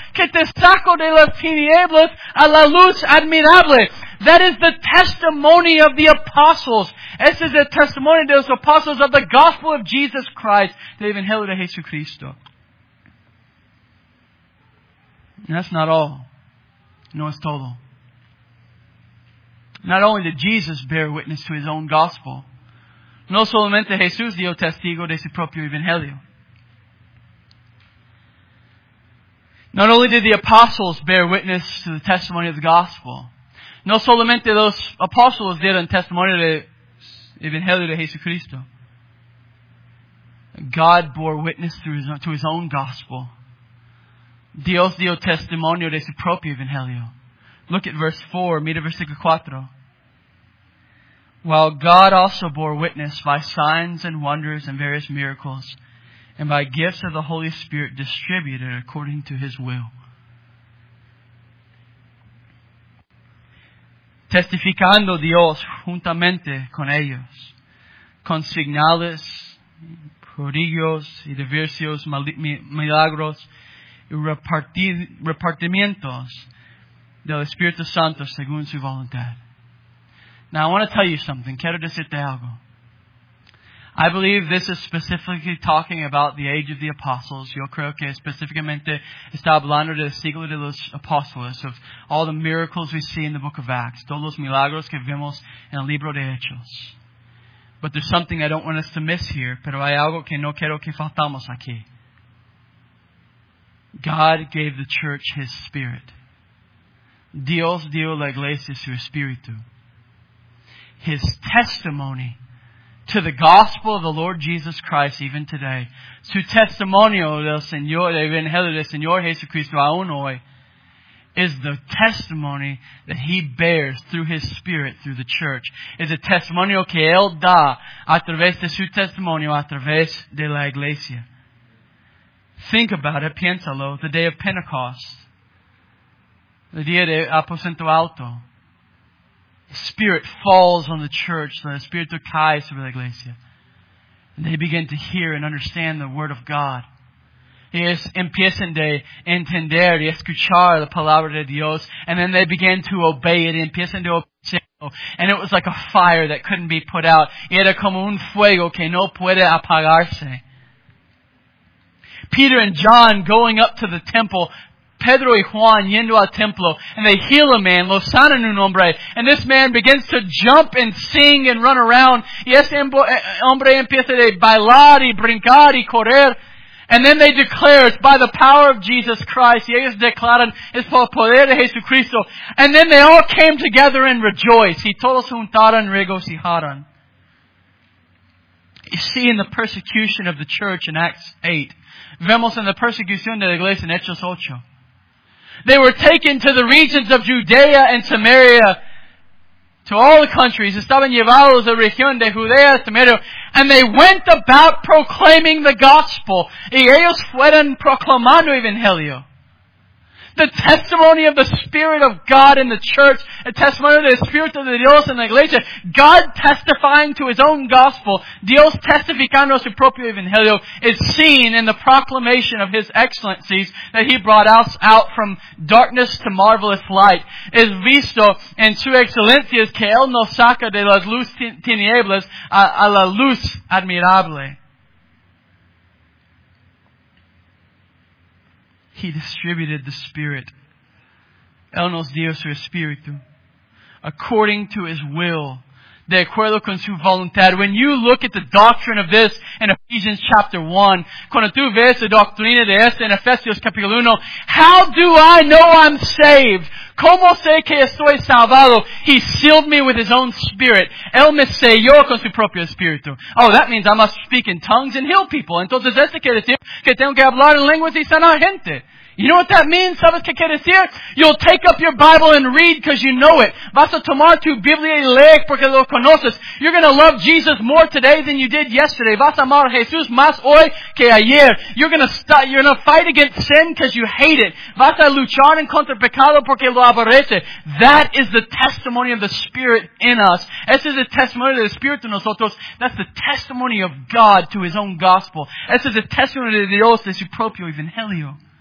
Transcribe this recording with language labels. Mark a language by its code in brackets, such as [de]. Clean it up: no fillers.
[es] Que te sacó de las tinieblas a la luz admirable. [en] That is the testimony of the apostles. [es] Este es el testimonio de los [en] apostles of the gospel of Jesus Christ, [es] de Evangelio de Jesucristo. [en] And that's not all. [es] No es todo. [en] Not only did Jesus bear witness to his own gospel, [es] no solamente Jesús dio testigo de su propio Evangelio. [en] Not only did the apostles bear witness to the testimony of the gospel, [es] no solamente los apóstoles dieron testimonio del Evangelio de Jesucristo. [en] God bore witness to his own gospel. [es] Dios dio testimonio de su propio evangelio. [en] Look at verse 4, [es] mira versículo 4. [en] While God also bore witness by signs and wonders and various miracles, and by gifts of the Holy Spirit distributed according to His will. [es] Testificando Dios juntamente con ellos, con señales, prodigios y diversos milagros y repartimientos del Espíritu Santo según su voluntad. [en] Now I want to tell you something. [es] Quiero decirte algo. [en] I believe this is specifically talking about the age of the apostles. [es] Yo creo que específicamente está hablando del siglo de los apóstoles, [en] of all the miracles we see in the book of Acts, [es] todos los milagros que vemos en el libro de Hechos. [en] But there's something I don't want us to miss here, [es] pero hay algo que no quiero que faltamos aquí. [en] God gave the church His Spirit. [es] Dios dio la iglesia su espíritu. [en] His testimony to the gospel of the Lord Jesus Christ, even today. [es] Su testimonio del Señor, del Evangelio del Señor Jesucristo aún hoy, [en] is the testimony that He bears through His Spirit, through the church. [es] Es el testimonio que Él da a través de su testimonio, a través de la iglesia. [en] Think about it, [es] piénsalo, [en] the day of Pentecost, the [es] día de Aposento Alto. [en] Spirit falls on the church, the [es] Espíritu cae sobre la iglesia. [en] And they begin to hear and understand the Word of God. [es] Ellos empiezan de entender y escuchar la Palabra de Dios. [en] And then they begin to obey it. [es] Empiezan de obedecerlo. [en] And it was like a fire that couldn't be put out. [es] Y era como un fuego que no puede apagarse. [en] Peter and John going up to the temple, [es] Pedro y Juan yendo al templo, [en] and they heal a man, [es] lo sanan un hombre, [en] and this man begins to jump and sing and run around. [es] Y ese hombre empieza a bailar y brincar y correr. [en] And then they declare, it's by the power of Jesus Christ. [es] Y ellos declaran, es por el poder de Jesucristo. [en] And then they all came together and rejoiced. [es] Y todos juntaron, regocijaron. [en] You see, in the persecution of the church in Acts 8, [es] vemos en la persecución de la iglesia en Hechos 8, [en] they were taken to the regions of Judea and Samaria, to all the countries. [es] Estaban llevados a la región de Judea y Samaria. [en] And they went about proclaiming the gospel. [es] Y ellos fueron proclamando evangelio. [en] The testimony of the Spirit of God in the church. A testimony of the Spirit of Dios in the iglesia. God testifying to His own gospel. [es] Dios testificando su propio evangelio. [en] Is seen in the proclamation of His excellencies that He brought us out from darkness to marvelous light. [es] Es visto en su excelencia que Él nos saca de las luz tinieblas a la luz admirable. [en] He distributed the Spirit. [es] Él nos dio su Espíritu. [en] According to His will. [es] De acuerdo con su voluntad. [en] When you look at the doctrine of this in Ephesians chapter 1. [es] Cuando tú ves la doctrina de esta en Efesios capítulo 1. [en] How do I know I'm saved? [es] ¿Cómo sé que estoy salvado? [en] He sealed me with His own Spirit. [es] Él me selló con su propio Espíritu. [en] Oh, that means I must speak in tongues and heal people. [es] Entonces, ¿esto quiere decir que tengo que hablar en lenguas y sanar gente? [en] You know what that means? [es] ¿Sabes qué quiere decir? [en] You'll take up your Bible and read because you know it. [es] Vas a tomar tu Biblia y leer porque lo conoces. [en] You're going to love Jesus more today than you did yesterday. [es] Vas a amar a Jesús más hoy que ayer. [en] You're going to fight against sin because you hate it. [es] Vas a luchar en contra el pecado porque lo aborrece. [en] That is the testimony of the Spirit in us. [es] Ese es el testimonio del Espíritu en nosotros. [en] That's the testimony of God to His own gospel. [es] Ese es el testimonio de Dios de su propio evangelio.